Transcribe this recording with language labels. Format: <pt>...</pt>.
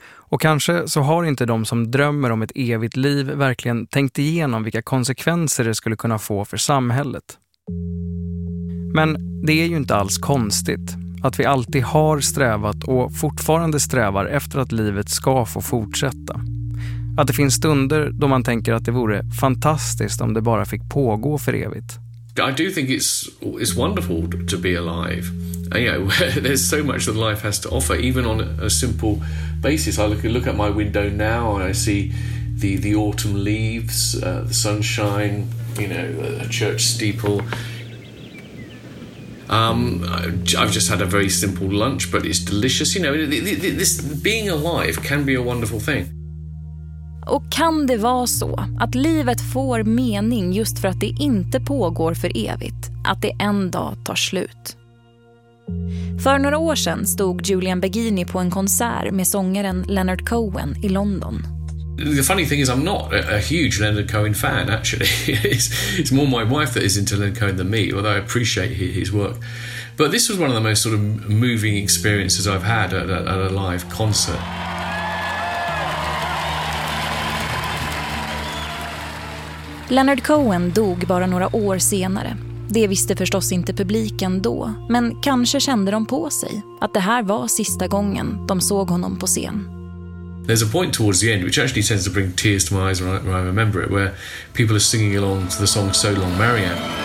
<sv>Och kanske så har inte de som drömmer om ett evigt liv verkligen tänkt igenom vilka konsekvenser det skulle kunna få för samhället. Men det är ju inte alls konstigt att vi alltid har strävat och fortfarande strävar efter att livet ska få fortsätta. Att det finns stunder då man tänker att det vore fantastiskt om det bara fick pågå för evigt.</sv> <en>I do think it's wonderful to be alive. And you know, there's so much that life has to offer, even on a simple basis. I look at my window now and I see the autumn leaves, the sunshine, you know, a church steeple. I've just had a very simple lunch, but it's delicious. You know, this being alive can be a wonderful thing.</en> <sv>Och kan det vara så att livet får mening just för att det inte pågår för evigt, att det en dag tar slut? För några år sedan stod Julian Baggini på en konsert med sångaren Leonard Cohen i London.</sv> <en>The funny thing is I'm not a huge Leonard Cohen fan actually. It's more my wife that is into Leonard Cohen than me, although I appreciate his work. But this was one of the most sort of moving experiences I've had at a live concert.</en> <sv>Leonard Cohen dog bara några år senare. Det visste förstås inte publiken då, men kanske kände de på sig att det här var sista gången de såg honom på scen.</sv> <en>There's a point towards the end which actually tends to bring tears to my eyes when I remember it, where people are singing along to the song So Long Marianne.</en>